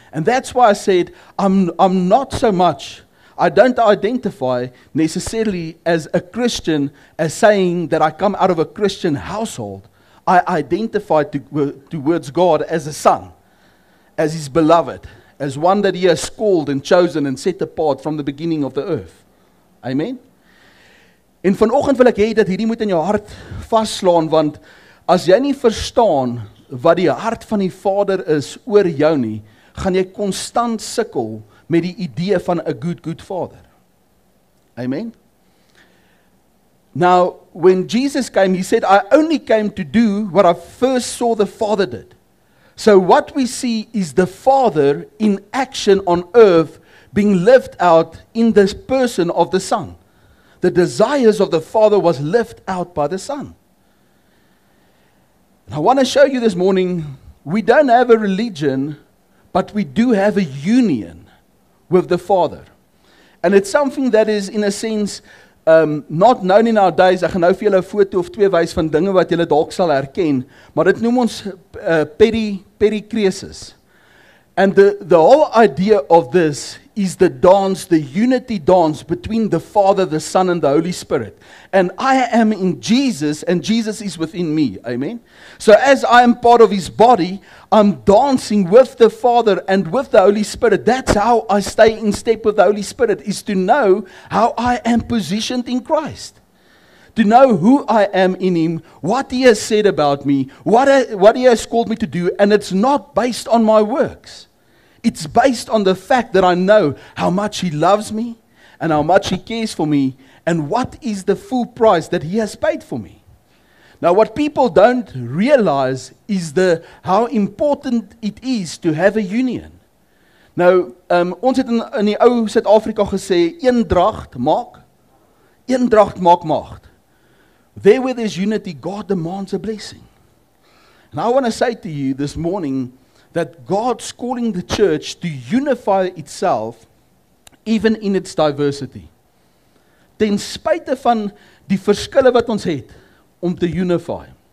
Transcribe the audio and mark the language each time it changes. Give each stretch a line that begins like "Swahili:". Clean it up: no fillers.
English: And that's why I said, I'm not so much, I don't identify necessarily as a Christian as saying that I come out of a Christian household. I identify towards God as a son, as his beloved, as one that he has called and chosen and set apart from the beginning of the earth. Amen?
Afrikaans: En vanoggend wil ek hê dat hierdie moet in jou hart vasslaan, want as jy nie verstaan wat die hart van die Vader is oor jou nie, gaan jy konstant sukkel met die idee van
English: a good Father. Amen? Now, when Jesus came, he said, I only came to do what I first saw the Father did. So what we see is the Father in action on earth being lived out in this person of the Son. The desires of the Father was lived out by the Son. And I want to show you this morning, we don't have a religion, but we do have a union with the Father. And it's something that is, in a sense, not known in our days.
Afrikaans: Ek gaan nou vir julle 'n foto of twee wys van dinge wat julle dalk sal herken, maar dit noem ons perikreses.
English: And the whole idea of this is the dance, the unity dance between the Father, the Son, and the Holy Spirit. And I am in Jesus, and Jesus is within me. Amen? So as I am part of his body, I'm dancing with the Father and with the Holy Spirit. That's how I stay in step with the Holy Spirit, is to know how I am positioned in Christ. To know who I am in him, what he has said about me, what he has called me to do, and it's not based on my works. It's based on the fact that I know how much he loves me and how much he cares for me and what is the full price that he has paid for me. Now, what people don't realize is how important it is to have a union.
Afrikaans: Now, ons het in die ou Suid-Afrika gesê, eendracht maak macht.
English: There where there's unity, God demands a blessing. And I want to say to you this morning that God's calling the church to unify itself even in its diversity.
Afrikaans: Ten spyte van die verskille wat ons het, om te unify.